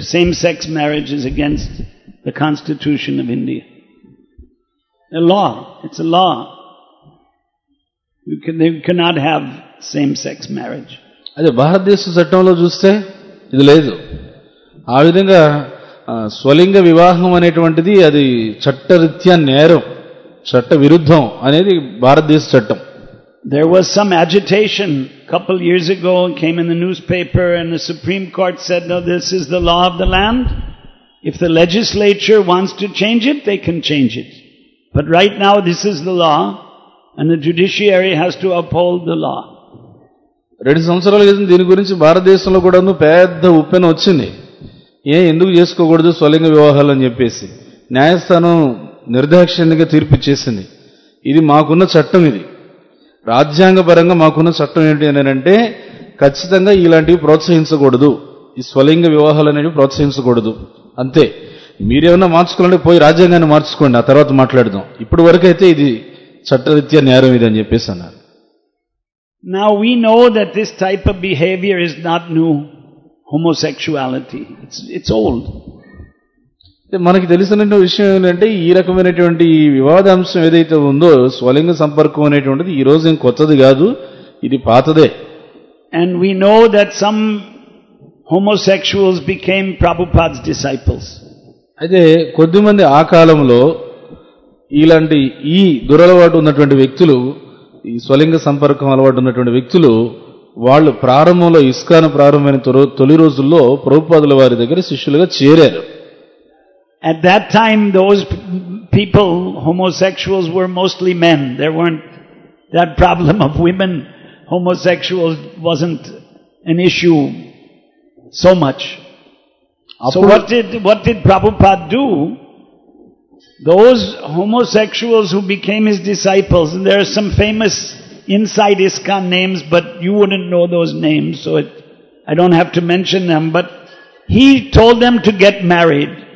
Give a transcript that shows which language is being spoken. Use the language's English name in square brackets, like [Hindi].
[English] Same-sex marriage is against the constitution of India. A law. It's a law. You cannot have same-sex marriage. [Telugu] అదే భారతదేశ చట్టంలో చూస్తే ఇది లేదు. ఆ విధంగా స్వలింగ వివాహం అనేటువంటిది అది చట్టరీత్యా నేరం, చట్ట విరుద్ధం అనేది భారతదేశ చట్టం. [English] There was some agitation a couple years ago, came in the newspaper, and the Supreme Court said, no, this is the law of the land. If the legislature wants to change it, they can change it. But right now, this is the law, and the judiciary has to uphold the law. [Telugu] రెండు సంవత్సరాల క్రితం దీని గురించి భారతదేశంలో కూడా పెద్ద ఉప్పెన వచ్చింది. ఏ ఎందుకు చేసుకోకూడదు స్వలింగ వివాహాలు అని చెప్పేసి న్యాయస్థానం నిర్దాక్షిణ్యంగా తీర్పు ఇచ్చేసింది. ఇది మాకున్న చట్టం, ఇది రాజ్యాంగపరంగా మాకున్న చట్టం. ఏంటి అని అంటే, ఖచ్చితంగా ఇలాంటివి ప్రోత్సహించకూడదు, ఈ స్వలింగ వివాహాలు అనేవి ప్రోత్సహించకూడదు అంతే. మీరేమన్నా మార్చుకోవాలంటే పోయి రాజ్యాంగాన్ని మార్చుకోండి, ఆ తర్వాత మాట్లాడదాం. ఇప్పటి వరకు అయితే ఇది చట్టరీత్యా నేరం ఇది అని చెప్పేసి అన్నారు. [English] Now we know that this type of behavior is not new, homosexuality. It's old. [Telugu] మనకి తెలిసిన విషయం ఏంటంటే, ఈ రకమైనటువంటి వివాదాంశం ఏదైతే ఉందో స్వలింగ సంపర్కం అనేటువంటిది ఈ రోజు ఏం కొత్తది కాదు, ఇది పాతదే. [English] And we know that some homosexuals became Prabhupada's disciples. [Telugu] అయితే కొద్దిమంది ఆ కాలంలో ఇలాంటి ఈ దురలవాటు ఉన్నటువంటి వ్యక్తులు, ఈ స్వలింగ సంపర్కం అలవాటు ఉన్నటువంటి వ్యక్తులు, వాళ్ళు ప్రారంభంలో ఇస్కాన్ ప్రారంభమైన తొలి రోజుల్లో ప్రభుపాదుల వారి దగ్గర శిష్యులుగా చేరారు. [English] At that time, those people, homosexuals, were mostly men. There weren't that problem of women. Homosexuals wasn't an issue so much. So what did Prabhupada do? Those homosexuals who became his disciples, and there are some famous inside ISKCON names, but you wouldn't know those names, so I don't have to mention them, but he told them to get married.